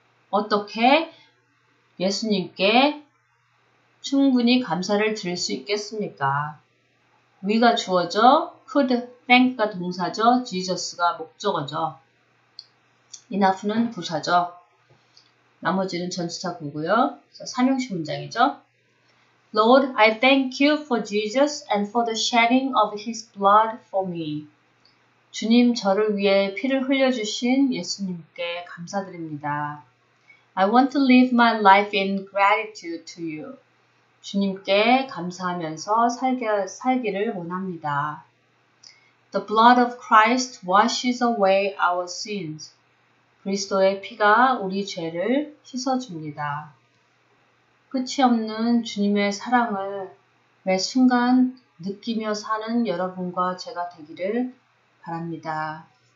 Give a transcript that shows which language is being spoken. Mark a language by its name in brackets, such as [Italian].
[Korean] 어떻게 예수님께 충분히 감사를 드릴 수 있겠습니까? We가 주어져, could thank가 동사죠, Jesus가 목적어죠. Enough는 부사죠. 나머지는 전치사구고요. 삼형식 문장이죠. [English] Lord, I thank you for Jesus and for the shedding of his blood for me. [Korean] 주님, 저를 위해 피를 흘려주신 예수님께 감사드립니다. [English] I want to live my life in gratitude to you. [Korean] 주님께 감사하면서 살기를 원합니다. [English] The blood of Christ washes away our sins. [Korean] 그리스도의 피가 우리 죄를 씻어줍니다. 끝이 없는 주님의 사랑을 매 순간 느끼며 사는 여러분과 제가 되기를 바랍니다.